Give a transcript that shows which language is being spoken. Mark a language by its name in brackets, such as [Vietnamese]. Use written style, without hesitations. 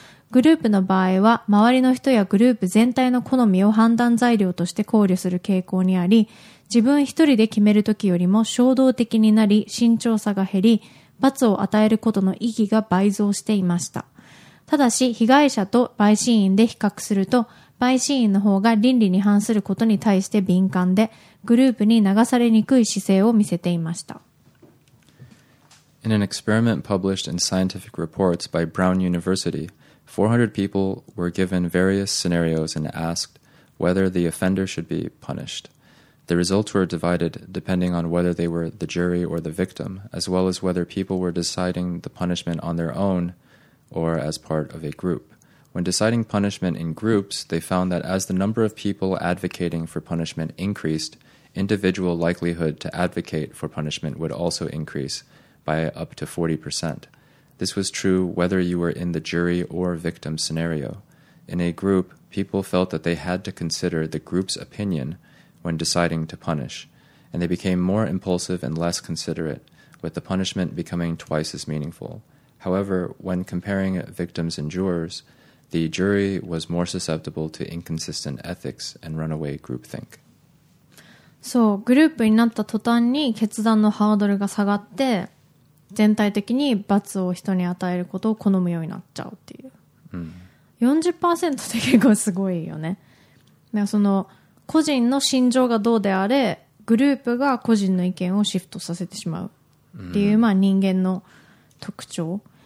[Japanese] グループの場合は、周りの人やグループ全体の好みを判断材料として考慮する傾向にあり、自分一人で決めるときよりも衝動的になり、慎重さが減り、罰を与えることの意義が倍増していました。ただし、被害者と陪審員で比較すると、陪審員の方が倫理に反することに対して敏感で、グループに流されにくい姿勢を見せていました。 [English] In an experiment published in Scientific Reports by Brown University, 400 people were given various scenarios and asked whether the offender should be punished. The results were divided depending on whether they were the jury or the victim, as well as whether people were deciding the punishment on their own or as part of a group. When deciding punishment in groups, they found that as the number of people advocating for punishment increased, individual likelihood to advocate for punishment would also increase by up to 40%. This was true whether you were in the jury or victim scenario. In a group, people felt that they had to consider the group's opinion when deciding to punish, and they became more impulsive and less considerate, with the punishment becoming twice as meaningful. However, when comparing victims and jurors, the jury was more susceptible to inconsistent ethics and runaway groupthink. [Japanese] そう、グループになった途端に決断のハードルが下がって、全体的に罰を人に与えることを好むようになっちゃうっていう。 40% って結構すごいよね。だからその個人の心情がどうであれ、グループが個人の意見をシフトさせてしまうっていう、まあ人間の特徴。